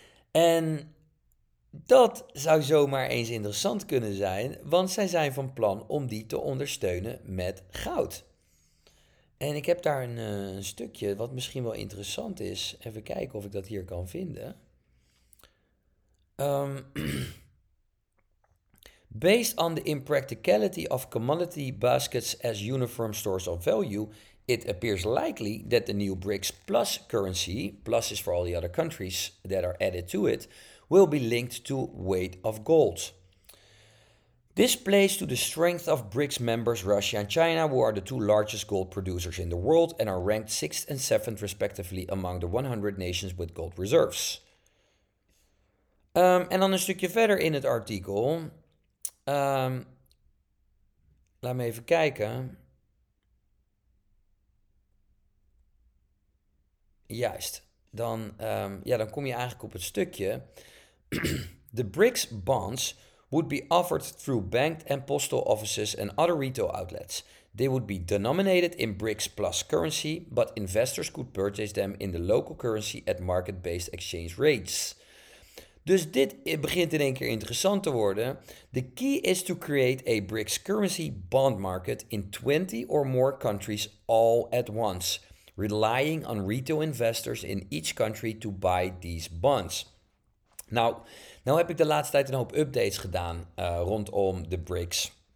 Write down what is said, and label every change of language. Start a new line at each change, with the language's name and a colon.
Dutch: En dat zou zomaar eens interessant kunnen zijn, want zij zijn van plan om die te ondersteunen met goud. En ik heb daar een stukje wat misschien wel interessant is. Even kijken of ik dat hier kan vinden.
English: Based on the impracticality of commodity baskets as uniform stores of value, it appears likely that the new BRICS plus currency, plus is for all the other countries that are added to it, will be linked to weight of gold. This plays to the strength of BRICS members Russia and China, who are the two largest gold producers in the world and are ranked 6th and 7th respectively among the 100 nations with gold reserves.
Dutch: En dan een stukje verder in het artikel. Laat me even kijken. Juist. Dan kom je eigenlijk op het stukje.
English: The BRICS bonds would be offered through banked and postal offices and other retail outlets. They would be denominated in BRICS plus currency, but investors could purchase them in the local currency at market-based exchange rates.
Dutch: Dus dit begint in één keer interessant te worden.
English: The key is to create a BRICS currency bond market in 20 or more countries all at once, relying on retail investors in each country to buy these bonds.
Dutch: Nou heb ik de laatste tijd een hoop updates gedaan rondom de BRICS.